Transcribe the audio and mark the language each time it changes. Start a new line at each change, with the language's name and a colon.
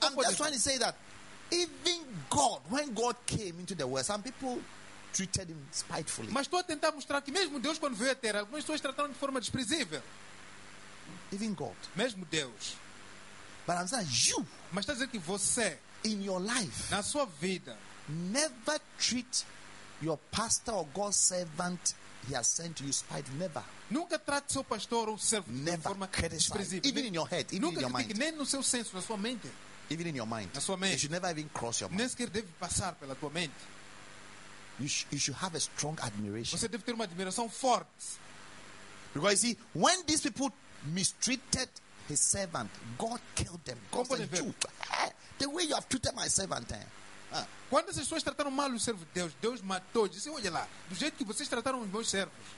English: I'm just trying to say that even God, when God came into the world, some people treated him spitefully.
Portuguese: Mas estou a tentar mostrar que mesmo Deus quando veio à Terra, algumas pessoas trataram de forma desprezível.
English: Even God.
Portuguese: Mesmo Deus.
English: But I'm saying you.
Portuguese: Mas está a dizer que você.
English: In your life.
Portuguese: Na sua vida.
English: Never treat your pastor or God's servant he has sent to you spite. Never.
Portuguese: Nunca trate seu pastor ou servo de
English: never
Portuguese: forma desprezível.
English: Even in your head, even
Portuguese: nunca
English: in your mind.
Portuguese: Nem no seu senso, na sua mente.
English: Even in your mind.
Portuguese: Na sua mente.
English: You should never even cross your mind.
Portuguese: Nem sequer deve passar pela tua mente.
English: You should have a strong admiration.
Portuguese: Você deve ter uma admiração forte.
English: Because you see, when these people mistreated his servant, God killed them. God said, you, the way you have treated my servant.
Portuguese: Quando essas pessoas trataram mal o servo de Deus, Deus matou. Disse, olha lá, do jeito que vocês trataram os meus servos.